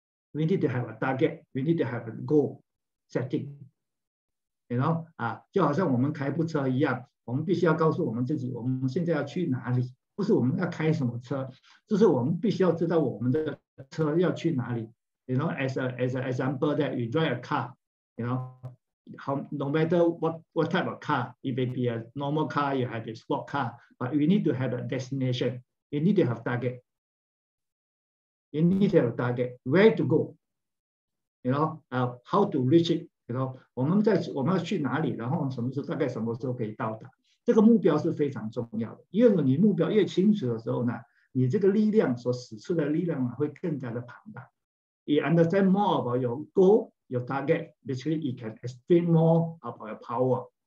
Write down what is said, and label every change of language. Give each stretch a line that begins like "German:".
English: We need to have a target. We need to have a goal setting.
Chinese: You know， 啊，就好像我们开部车一样，我们必须要告诉我们自己，我们现在要去哪里，不是我们要开什么车，就是我们必须要知道我们的车要去哪里。
English: You know, as an example that you drive a car, you know, how, no matter what type of car, it may be a normal car, you have a sport car, but you need to have a destination. You need to have target. You need to have a target. Where to go?
Chinese: You know, how to reach it? You know, 我们要去哪里，然后什么时候，大概什么时候可以到达。这个目标是非常重要的，因为你目标越清楚的时候呢，你这个力量所使出的力量呢，会更加的庞大。
English: You understand more about your goal, your target, basically you can explain more about your power.